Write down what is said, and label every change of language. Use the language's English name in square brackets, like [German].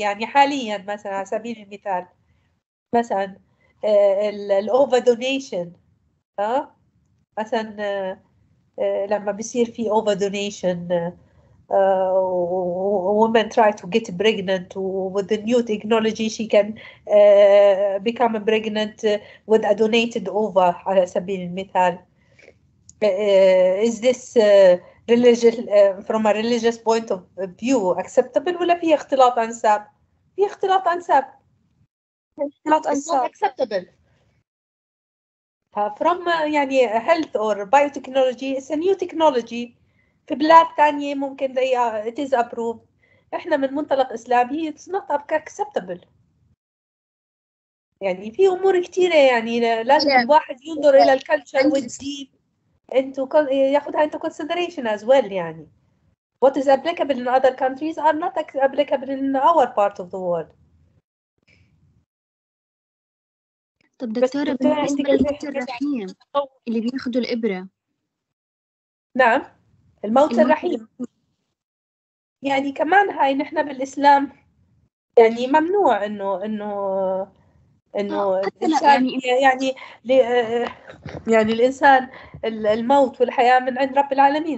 [Arabic] يعني حاليا مثلا على سبيل المثال مثلا الأوفر دونيشن، مثلا لما بيصير في أوفر دونيشن [English] women try to get pregnant with the new technology she can become pregnant with a donated ova [Arabic] على سبيل المثال. [English] Is this religious from a religious point of view acceptable [Arabic] ولا في اختلاط أنساب؟ [English] في اختلاط أنساب. [Arabic] اختلاط أنساب [English] acceptable. From يعني health or biotechnology it's a new technology. [Arabic] في بلاد تانية ممكن [English] they it is approved. [Arabic] إحنا من منطلق إسلامي [English] it's not acceptable. [Arabic] يعني في أمور كتيرة يعني لازم الواحد ينظر إلى الكالتشر والدين أنتو يأخذها أنتو [English] consideration as well. يعني what is applicable in other countries are not applicable in our part of the world. [Arabic] طب دكتورة بالنسبة للرحيم اللي بياخدوا الإبرة. نعم الموت الرحيم يعني كمان هاي نحن بالإسلام يعني ممنوع إنه إنه إنه الإنسان يعني يعني الإنسان الموت والحياة من عند رب العالمين.